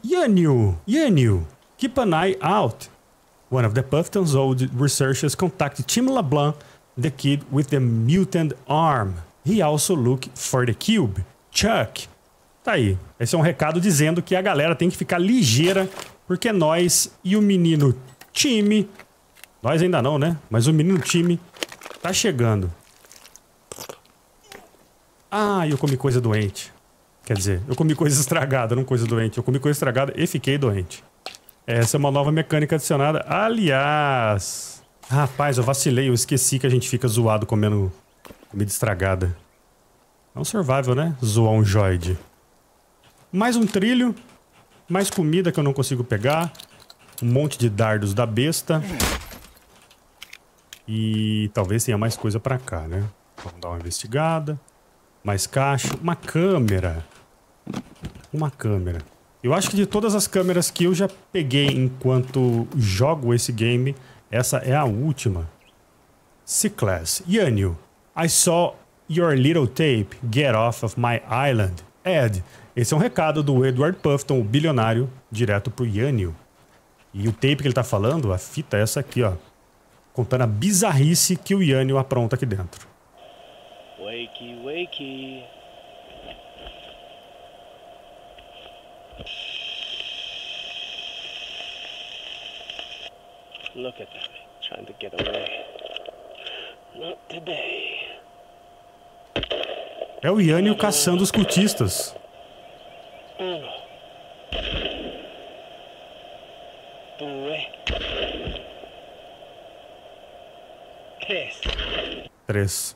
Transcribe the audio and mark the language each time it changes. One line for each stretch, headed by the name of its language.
English: Yanil, Yanil, keep an eye out. One of the Pufton's old researchers contacted Tim LeBlanc, the kid with the mutant arm. He also looked for the cube.
Portuguese: Chuck. Tá aí. Esse é um recado dizendo que a galera tem que ficar ligeira, porque nós e o menino Tim, nós ainda não, né? Mas o menino Tim tá chegando. Ah, eu comi coisa doente. Quer dizer, eu comi coisa estragada, não coisa doente. Eu comi coisa estragada e fiquei doente. Essa é uma nova mecânica adicionada. Aliás... Rapaz, eu vacilei. Eu esqueci que a gente fica zoado comendo comida estragada. É um survival, né? Zoar um joid. Mais um trilho. Mais comida que eu não consigo pegar. Um monte de dardos da besta. E talvez tenha mais coisa pra cá, né? Vamos dar uma investigada. Mais cacho. Uma câmera. Uma câmera. Eu acho que de todas as câmeras que eu já peguei enquanto jogo esse game, essa é a última. C-Class.
English: Yanil, I saw your little tape. Get off of my island.
Portuguese: Ed, esse é um recado do Edward Pufton, o bilionário, direto pro Yanil. E o tape que ele tá falando, a fita é essa aqui, ó. Contando a bizarrice que o Yanil apronta aqui dentro.
English: Wakey, wakey. Look at them, trying to get away. Not today.
Portuguese: É o Yanil caçando os cultistas.
Italian: Uno. Due.
Spanish: Tres.
Portuguese: Três.